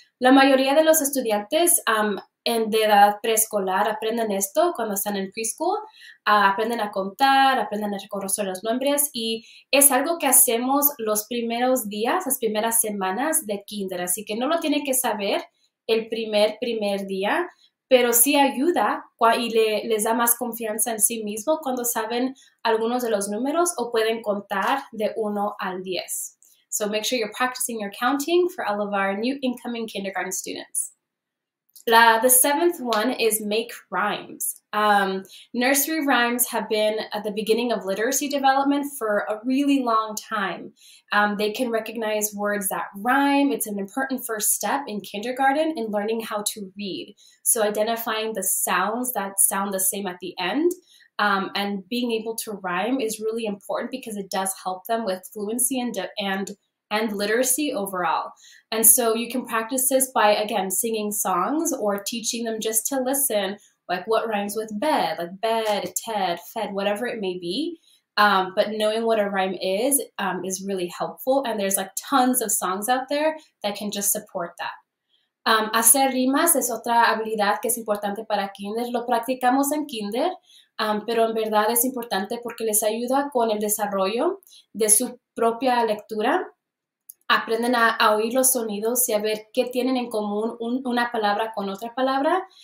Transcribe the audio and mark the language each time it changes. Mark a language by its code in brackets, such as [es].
[es] La mayoría de los estudiantes, de edad preescolar aprenden esto cuando están en preschool, aprenden a contar, aprenden a reconocer los nombres y es algo que hacemos los primeros días, las primeras semanas de kinder, así que no lo tiene que saber el primer día, pero sí ayuda y les da más confianza en sí mismo cuando saben algunos de los números o pueden contar de 1 al 10. [en] So make sure you're practicing your counting for all of our new incoming kindergarten students. The seventh one is make rhymes. Nursery rhymes have been at the beginning of literacy development for a really long time. They can recognize words that rhyme. It's an important first step in kindergarten in learning how to read. So identifying the sounds that sound the same at the end, and being able to rhyme is really important because it does help them with fluency and literacy overall. And so you can practice this by, again, singing songs or teaching them just to listen, like what rhymes with bed, like bed, ted, fed, whatever it may be. But knowing what a rhyme is really helpful. And there's like tons of songs out there that can just support that. [es] Hacer rimas es otra habilidad que es importante para kinder. Lo practicamos en kinder, pero en verdad es importante porque les ayuda con el desarrollo de su propia lectura. Aprenden a oír los sonidos y a ver qué tienen en común una palabra con otra palabra.